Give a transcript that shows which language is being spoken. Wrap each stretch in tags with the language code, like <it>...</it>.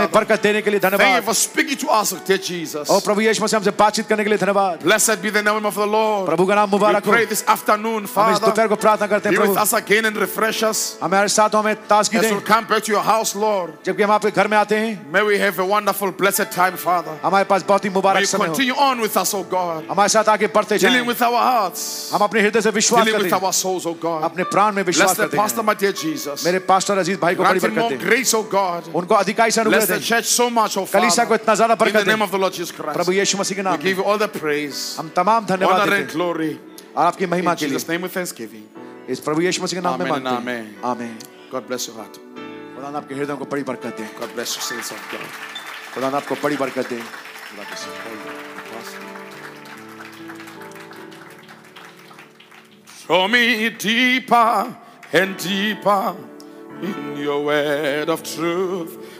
<hi>हमें बरकत देने के लिए धन्यवाद</hi> <en>thank you for speaking to us dear Jesus</en> <hi>ओ प्रभु यीशु मसीह हमसे बातचीत करने के लिए धन्यवाद</hi> <en>blessed be the name of the Lord</en> <hi>प्रभु का नाम मुबारक हो</hi> <en>pray this afternoon father</en> <hi>हम इस दोपहर को प्रार्थना करते हैं प्रभु</hi> <en>Yeshu Masih again and refresh us</en> <hi>हमारे साथ हमें ताजगी दें</hi> <en>Yeshu come back to your house Lord,</en> <hi>जबकि हम आपके घर में आते हैं,</hi> <en>may we have a wonderful, blessed time, Father.</en> <hi>हमारे पास बहुत ही मुबारक समय हो.</hi> <en>May you continue on with us, O God.</en> <hi>हमारे साथ आगे बढ़ते जाएं.</hi> <en>Dealing with our hearts.</en> <hi>हम अपने हृदय से विश्वास करते हैं.</hi> <en>Dealing with our souls, O God.</en> <hi>अपने प्राण में विश्वास करते हैं.</hi> <en>Bless the pastor, my dear Jesus.</en> <hi>मेरे पास्टर अजीज भाई को बड़ी बरकत दें.</hi> <en>Grant him more grace, O God.</en> <hi>उनको अधिकाई से अनुग्रह दें.</hi> <en>Bless the church so much, O Father.</en> <hi>कलीसिया को इतना ज़्यादा बरकत दें.</hi> <en>In the name of the Lord Jesus Christ.</en> <hi>प्रभु यीशु मसीह के नाम में.</hi> <en>We give you all the praise.</en> <hi>हम तमाम धन्यवाद देते हैं.</hi> <en>Glory.</en> <hi>और आपकी महिमा के लिए.</hi> <en>In Jesus' name with thanksgiving.</en> <hi>इस प्रभु यीशु मसीह के नाम में मांगते हैं.</hi> <en>Amen. Amen. God bless your heart.</en> <hi>आपके हृदय को बड़ी बरकत दें</hi> <en>God bless you, saints of God.</en> <hi>खुदा आपको बड़ी बरकत दें</hi> <en>Show me deeper and deeper in your word of truth.</en>